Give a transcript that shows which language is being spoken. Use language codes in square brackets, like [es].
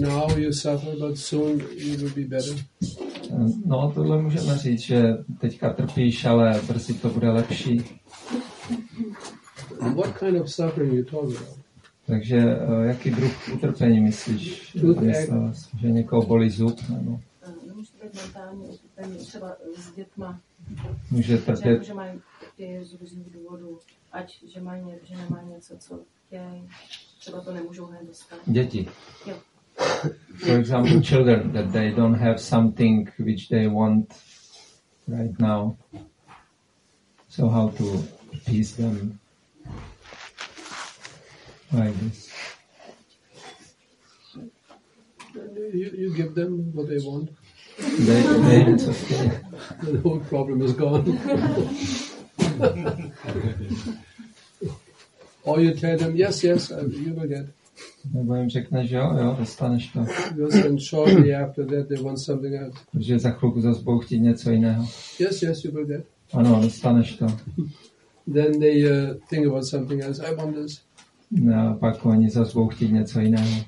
[en] Now you suffer, but soon you will be better. [cs] No, tohle můžeme říct, že teďka trpíš, ale brzy to bude lepší. [en] What kind of suffering you talk about? [cs] Takže jaký druh utrpení myslíš? Že někoho bolí zub? Nebo? Nemůžu být mentální utrpení, třeba s dětma. Může trpět. Že mají ty z různých důvodů, ať že mají, že nemají něco, co chtějí. Třeba to nemůžou hned dostat. Děti. [en] For example, children, that they don't have something which they want right now. So how to appease them like this? You give them what they want. They it's okay. The whole problem is gone. Or you tell them, yes, you will get. [cs] Nebo jim řekne, že jo, dostaneš to. [en] Because then shortly after that they want something else. [cs] Protože za chvilku zase budou chtít něco jiného. [en] Yes, you will get. [cs] Ano, dostaneš to. [en] Then they think about something else. I want this. [cs] No, pak oni zase budou chtít něco jiného.